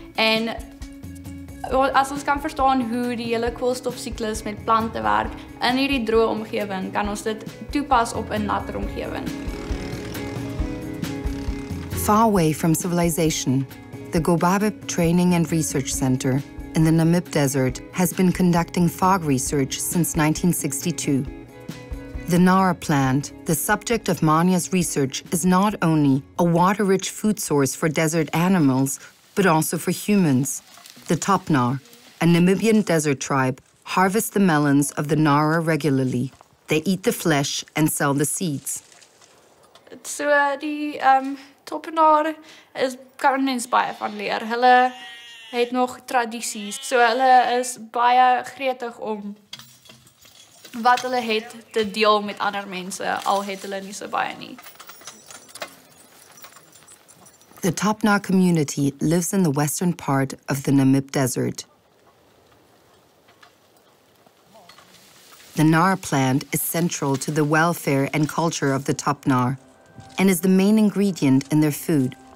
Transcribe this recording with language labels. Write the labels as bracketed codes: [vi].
[af] En as ons kan verstaan hoe die hele koolstofsiklus met plante werk in hierdie droë omgewing, kan ons dit toepas op 'n natte omgewing. [en] Far away from civilization, the Gobabib Training and Research Center in the Namib Desert has been conducting fog research since 1962. The Nara plant, the subject of Manya's research, is not only a water-rich food source for desert animals, but also for humans. The Topnar, a Namibian desert tribe, harvest the melons of the Nara regularly. They eat the flesh and sell the seeds. [af] So Topnar is kan mens baie van leer. Hulle het nog tradisies. So hulle is baie gretig om wat hulle het te deel met ander mense, al het hulle nie so baie nie. [en] The Topnar community lives in the western part of the Namib Desert. The Nar plant is central to the welfare and culture of the Topnar and is the main ingredient in their food.